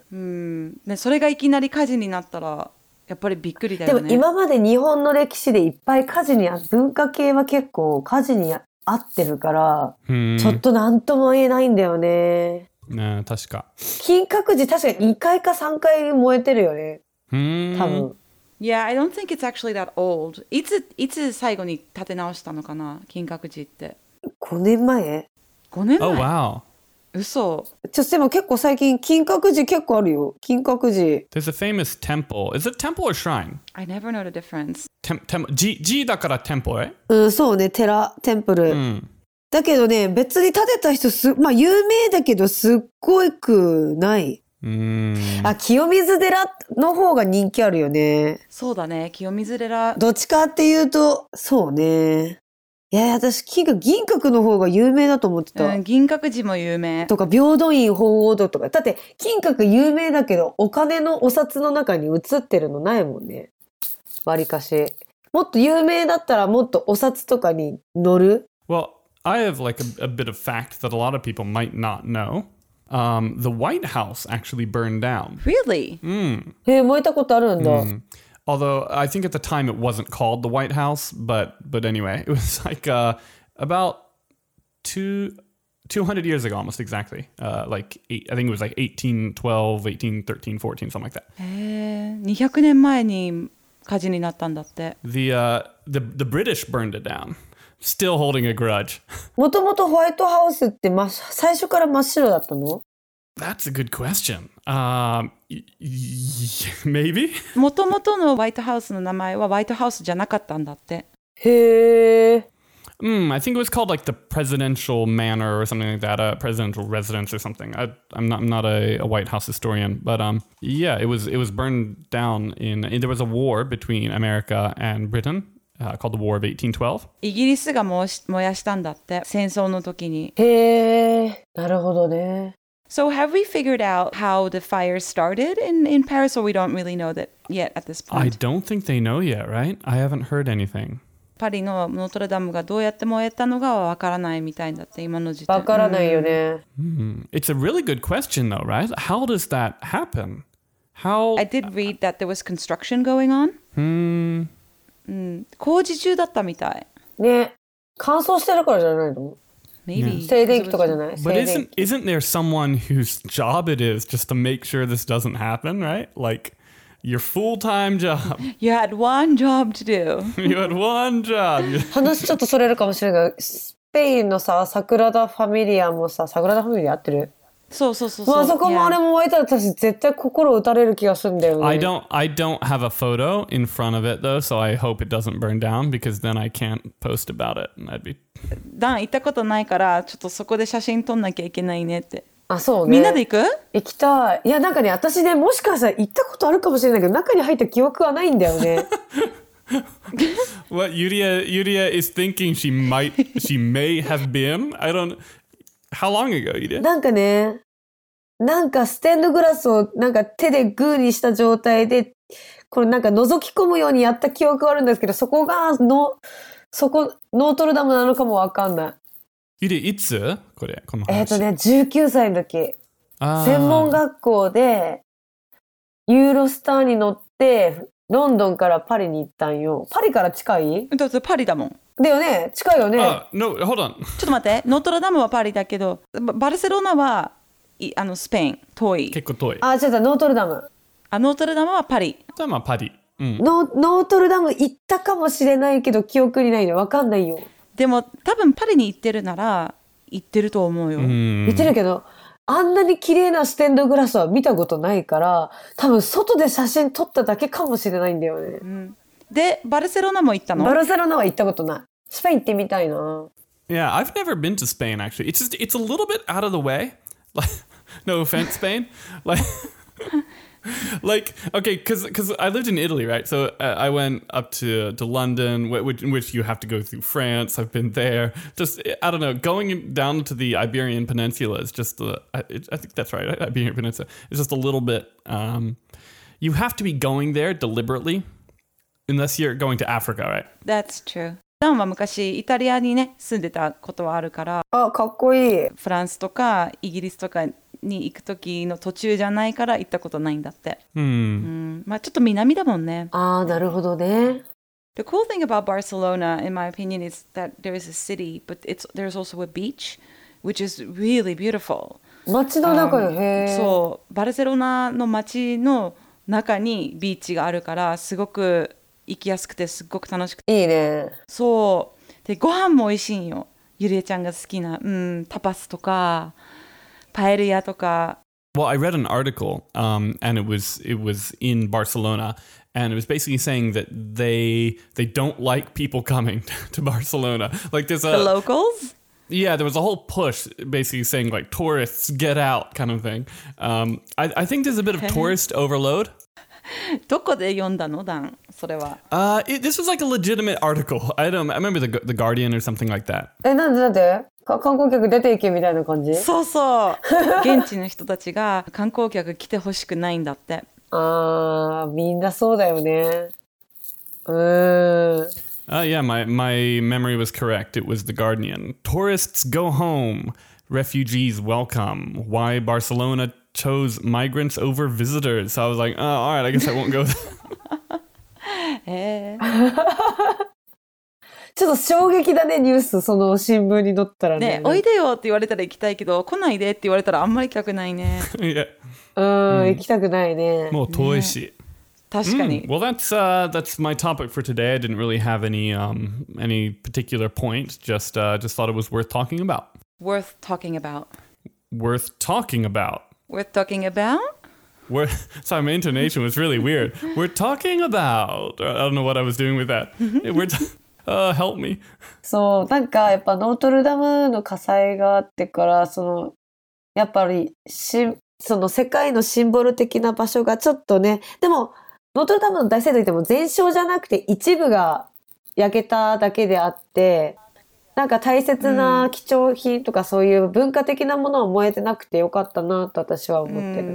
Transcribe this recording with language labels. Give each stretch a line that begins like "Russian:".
Japanese: ね、それがいきなり火事になったらやっぱりびっくりだよね。でも今まで日本の歴史でいっぱい火事に、文化系は結構火事に合ってるから、ちょっとなんとも言えないんだよね。ね、確か。金閣寺確か2回か3回燃えてるよね。多分。
English: Yeah, I don't think it's actually that old.
Japanese: いつ最後に建て直したのかな、金閣寺って。 5年前？ 5年前。
English: Oh, wow.
Japanese: 嘘。ちょっとでも結構最近金閣寺結構あるよ。金閣寺。
English: There's a famous temple. Is it temple or shrine? I never know the difference. G だから temple, right?
Japanese: そうね。寺、テンプル。だけどね、別に建てた人す、まあ有名だけどすっごくない。あ、清水寺の方が人気あるよね。そうだね。清水寺。どっちかっていうと、そうね。いや、私銀閣の方が有名だと思ってた。銀閣寺も有名。とか平等院鳳凰堂とか。だって金閣有名だけど、お金のお札の中に写ってるのないもんね。わりかし。もっと有名だったらもっとお札とかに載る。
English: Well, I have like a bit of fact that a lot of people might not know. The White House actually burned down. Really?
Japanese: え、燃えたことあるんだ。
English: Although I think at the time it wasn't called the White House, but anyway, it was like about 200 years ago, almost exactly. I think it was like 1812, 1813, 14, something like that. 200 years ago,
Japanese: 火事になったんだって。
English: The British burned it down, still holding a grudge.
Japanese: もともとホワイトハウスって最初から真っ白だったの？
English: That's a good question. Maybe?
Japanese: もともとのホワイトハウスの名前はホワイトハウスじゃなかったんだって。へぇ。
English: I think it was called like the presidential manor or something like that, a presidential residence or something. I'm not a White House historian, but yeah, it was burned down in there was a war between America and Britain, called the War of 1812.
Japanese: イギリスが燃やしたんだって、戦争の時に。へぇ、なるほどね。
English: So have we figured out how the fire started in Paris, or we don't really know that yet at this point? I don't think they know yet, right? I haven't heard anything.
Japanese: パリのノートルダムがどうやって燃えたのかはわからないみたいだって、今の時点。わからないよね。
English: It's a really good question though, right? How does that happen? How? I did read that there was construction going on.
Japanese: 工事中だったみたい。ね、乾燥してるからじゃないの？
English: Maybe.
Japanese: Yeah. 静電気とかじゃない？
English: But isn't there someone whose job it is just to make sure this doesn't happen, right? Like, your full-time job. You had one job to do. You had one job.
Japanese: 話ちょっとそれるかもしれないけど、スペインのさ、サグラダ・ファミリアもさ、サグラダ・ファミリア合ってる？そうそうそうそう。あそこもあれも燃えたら私絶対心打たれる気がするんだよね。
English: I don't have a photo in front of it though, so I hope it doesn't burn down because then I can't post about it.
Japanese: ダン行ったことないからちょっとそこで写真撮んなきゃいけないねって。あ、そうね。みんなで行く？行きたい。いや、なんかね、私ね、もしかしたら行ったことあるかもしれないけど中に入った記憶はないんだよね。
English: What Yuria is thinking she may have been? I don't. How long ago you did?
Japanese: なんかね、なんかステンドグラスをなんか手でグーにした状態で、これなんか覗き込むようにやった記憶があるんですけど、そこがの、そこ、ノートルダムなのかもわかんない。ゆり、いつ？これ、この話。 19歳の時。専門学校で、ユーロスターに乗って、ロンドンからパリに行ったんよ。パリから近い？だってパリだもん。だよね、近いよね。
English: No, hold on.
Japanese: ちょっと待って、ノートルダムはパリだけど、バルセロナはあのスペイン、遠い。結構遠い。あ、違う、ノートルダム。あ、ノートルダムはパリ。ノートルダムはパリ。ノートルダム行ったかもしれないけど、記憶にないね。わかんないよ。でも、多分パリに行ってるなら、行ってると思うよ。行ってるけど、あんなに綺麗なステンドグラスは見たことないから、多分外で写真撮っただけかもしれないんだよね。うん、で、バルセロナも行ったの？バルセロナは行ったことない。スペイン行ってみたいな。
English: Yeah, I've never been to Spain, actually. It's, just, it's a little bit out of the way. Like, no offense, Spain. Like, okay, because I lived in Italy, right? So I went up to London, which you have to go through France. I've been there. Just, I don't know, going down to the Iberian Peninsula is just, I think that's right, Iberian Peninsula. It's just a little bit, you have to be going there deliberately, unless you're going to Africa, right? That's true.
Japanese: ダンは昔イタリアにね住んでたことはあるから、あ、かっこいい。フランスとかイギリスとかに行く時の途中じゃないから行ったことないんだって、まあちょっと南だもんね。あ、なるほどね。
English: The cool thing about Barcelona in my opinion is that there is a city but there's also a beach which is really beautiful.
Japanese: 街の中よ、へー。そう、バルセロナの街の中にビーチがあるからすごく行きやすくてすっごく楽しくて、いいね。そうで、ご飯も美味しいよ。ゆりえちゃんが好きな、うん、タパスとかパエリアとか。
English: Well, I read an article, and it was in Barcelona, and it was basically saying that they don't like people coming to Barcelona. Like there's a the locals? Yeah, there was a whole push basically saying like tourists get out kind of thing. I think there's a bit of tourist overload.
Japanese: どこで読んだの、ダン？それは。
English: This was like a legitimate article. I remember the Guardian or something like that.
Japanese: え、なんでなんで？観光客出て行けみたいな感じ？そうそう。現地の人たちが観光客来てほしくないんだって。あー、みんなそうだよね。
English: Yeah, my memory was correct. It was the Guardian. Tourists go home. Refugees welcome. Why Barcelona? Chose migrants over visitors. So I was like, oh, all right, I guess I won't go there.
Japanese: ちょっと衝撃だね、ニュース、その新聞に載ったらね。ね、おいでよって言われたら行きたいけど、来ないでって言われたらあんまり行きたくないね。
English: Yeah.
Japanese: 行きたくないね。もう遠いし。確かに。
English: Well, that's my topic for today. I didn't really have any particular point. Just thought it was worth talking about. Worth talking about. Worth talking about. Worth talking about? Sorry, my intonation was really weird. We're talking about... I don't know what I was doing with that. help me.
Japanese: そう、なんかやっぱノートルダムの火災があってから、その、やっぱりし、その世界のシンボル的な場所がちょっとね、でも、ノートルダムの大聖堂といっても全焼じゃなくて一部が焼けただけであって、なんか大切な貴重品とかそういう文化的なものは燃えてなくてよかったなと私は思ってる、